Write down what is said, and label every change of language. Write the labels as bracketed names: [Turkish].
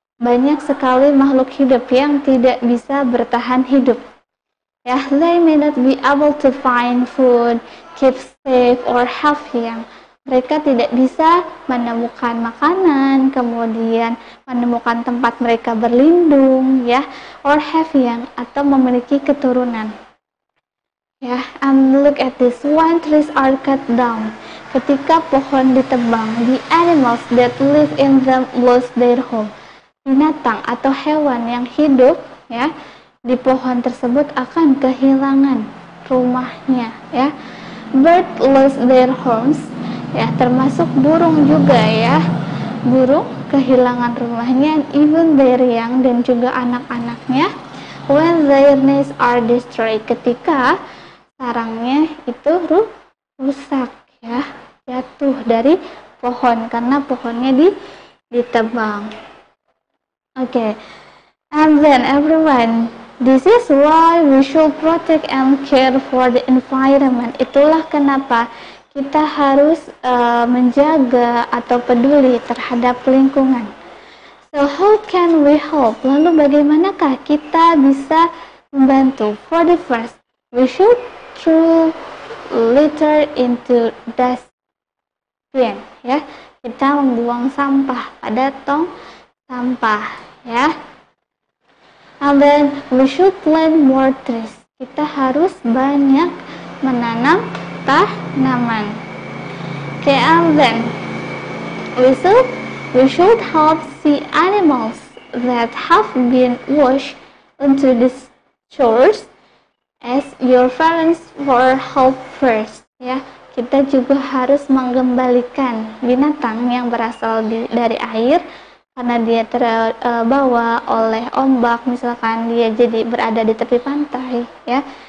[Indonesian] Banyak sekali makhluk hidup yang tidak bisa bertahan hidup. [English] Yeah, they may not be able to find food, keep safe, or have young. [Indonesian] Mereka tidak bisa menemukan makanan, kemudian menemukan tempat mereka berlindung, ya, [English] or have young, [Indonesian] atau memiliki keturunan. [English] Yeah, and look at this. When trees are cut down, [Indonesian] ketika pohon ditebang, [English] the animals that live in them lose their home. [Indonesian] Binatang atau hewan yang hidup ya di pohon tersebut akan kehilangan rumahnya ya. [English] Birds lose their homes [Indonesian] ya, termasuk burung juga ya. Burung kehilangan rumahnya, [English] even their young [Indonesian] dan juga anak-anaknya. [English] When their nests are destroyed, [Indonesian] ketika sarangnya itu rusak ya, jatuh dari pohon karena pohonnya ditebang. [English] Okay, and then everyone, this is why we should protect and care for the environment. [Indonesian] Itulah kenapa kita harus menjaga atau peduli terhadap lingkungan. [English] So how can we help? [Indonesian] Lalu bagaimanakah kita bisa membantu? [English] For the first, we should throw litter into dustbin. [Indonesian] Ya, kita membuang sampah pada tong sampah. [English] Ya, and then we should plant more trees. [Indonesian] Kita harus banyak menanam tanaman. [English] Okay, and then we should help see animals that have been washed into the shores as your friends for help first. [Indonesian] Ya, kita juga harus mengembalikan binatang yang berasal dari air. Karena dia terbawa oleh ombak, misalkan dia jadi berada di tepi pantai, ya.